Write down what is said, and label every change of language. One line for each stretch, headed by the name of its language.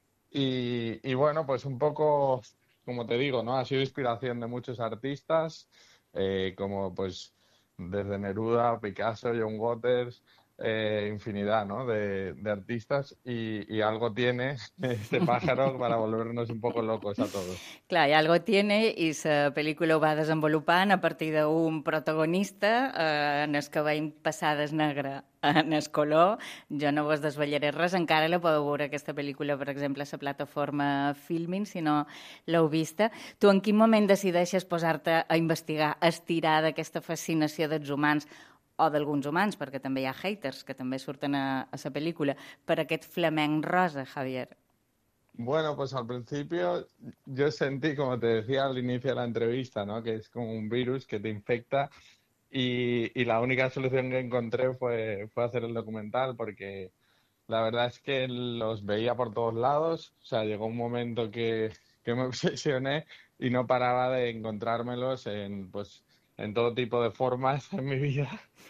Spanish: Y bueno, pues un poco, como te digo, ¿no?, ha sido inspiración de muchos artistas, como pues desde Neruda, Picasso, John Waters, infinidad, ¿no?, de artistas y algo tiene este pájaro para volvernos un poco locos a todos.
Catalan: Clar, i
Spanish: algo tiene
Catalan: i la pel·lícula ho va desenvolupant a partir d'un protagonista en el que veiem passades negre en el color. Jo no vos desvetllaré res, encara la podeu veure aquesta pel·lícula, per exemple, a la plataforma Filmin, si no l'heu vista. Tu en quin moment decideixes posar-te a investigar, a estirar d'aquesta fascinació dels humans o d'alguns humans, perquè també hi ha haters que també surten a la pel·lícula, per aquest flamenc rosa, Javier?
Spanish: Bueno, pues al principio yo sentí, como te decía al inicio de la entrevista, ¿no?, que es como un virus que te infecta y la única solución que encontré fue hacer el documental, porque la verdad es que los veía por todos lados, o sea, llegó un momento que me obsesioné y no paraba de encontrármelos en todo tipo de formas en mi vida.